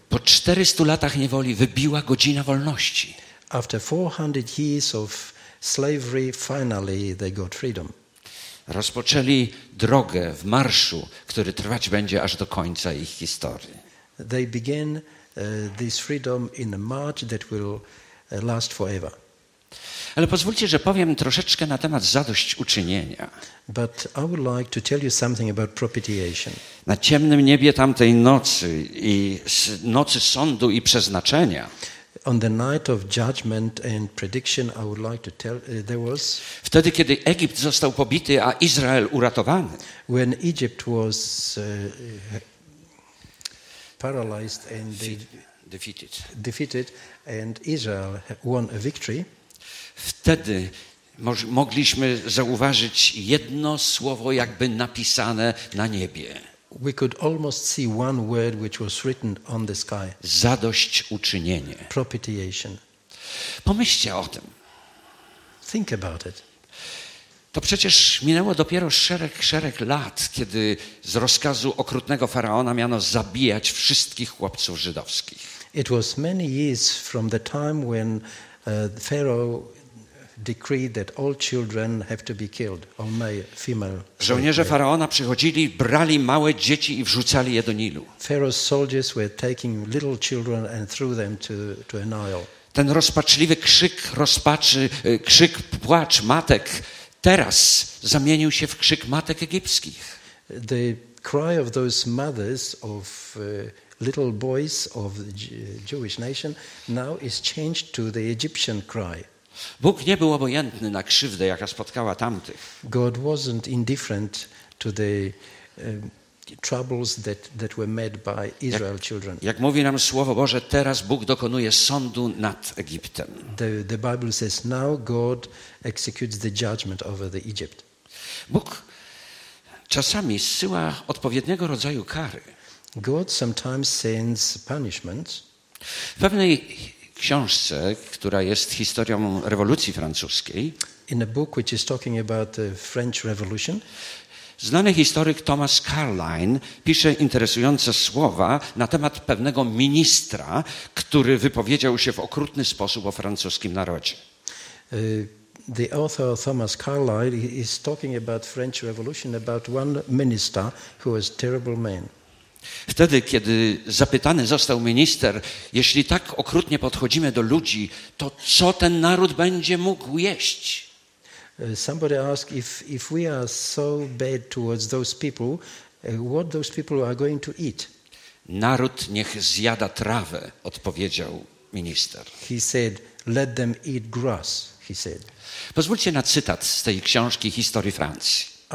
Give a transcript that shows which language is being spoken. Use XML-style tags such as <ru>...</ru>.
<pl>Po 400 latach niewoli wybiła godzina wolności.</pl> <en>After 400 years of slavery, finally they got freedom.</en> <pl>Rozpoczęli drogę w marszu, który trwać będzie aż do końca ich historii.</pl> <en>They began this freedom in a march that will last forever.</en> <pl>Ale pozwólcie, że powiem troszeczkę na temat zadośćuczynienia.</pl> <en>But I would like to tell you something about propitiation.</en> <pl>Na ciemnym niebie tamtej nocy i nocy sądu i przeznaczenia.</pl> <en>On the night of judgment and prediction, I would like to tell there was.</en> <pl>Wtedy, kiedy Egipt został pobity, a Izrael uratowany.</pl> <en>When Egypt was paralyzed and defeated, and Israel won a victory.</en> <pl>Wtedy mogliśmy zauważyć jedno słowo, jakby napisane na niebie.</pl> <en>We could almost see one word which was written on the sky.</en> <pl>Zadośćuczynienie.</pl> <en>Propitiation.</en> <pl>Pomyślcie o tym.</pl> <en>Think about it.</en> <pl>To przecież minęło dopiero szereg lat, kiedy z rozkazu okrutnego faraona miano zabijać wszystkich chłopców żydowskich.</pl> <en>It was many years from the time when Pharaoh decreed that all children have to be killed, all male, female.</en> <pl>Żołnierze faraona przychodzili, brali małe dzieci i wrzucali je do Nilu.</pl> <en>Pharaoh's soldiers were taking little children and threw them to a Nile.</en> <pl>Ten rozpaczliwy krzyk rozpaczy, krzyk płacz matek, teraz zamienił się w krzyk matek egipskich.</pl> <en>The cry of those mothers of little boys of the Jewish nation now is changed to the Egyptian cry.</en> <pl>Bóg nie był obojętny na krzywdę, jaka spotkała tamtych.</pl> <en>God wasn't indifferent to the troubles that were met by Israel children.</en> <pl>Jak mówi nam Słowo Boże, teraz Bóg dokonuje sądu nad Egiptem.</pl> <en>The Bible says now God executes the judgment over the Egypt.</en> <pl>Bóg czasami zsyła odpowiedniego rodzaju kary.</pl> <en>God sometimes sends punishments.</en> <pl>W pewnej książce, która jest historią rewolucji francuskiej.</pl> <en>In a book which is talking about the French Revolution.</en> <pl>Znany historyk Thomas Carlyle pisze interesujące słowa na temat pewnego ministra, który wypowiedział się w okrutny sposób o francuskim narodzie.</pl> <en>The author Thomas Carlyle is talking about French Revolution, about one minister who was a terrible man.</en> <pl>Wtedy, kiedy zapytany został minister, jeśli tak okrutnie podchodzimy do ludzi, to co ten naród będzie mógł jeść?</pl> <en>Somebody asked if we are so bad towards those people, what those people are going to eat?</en> <pl>Naród niech zjada trawę, odpowiedział minister.</pl> <en>He said, let them eat grass, he said.</en> <pl>Pozwólcie na cytat z tej książki Historii Francji.</pl>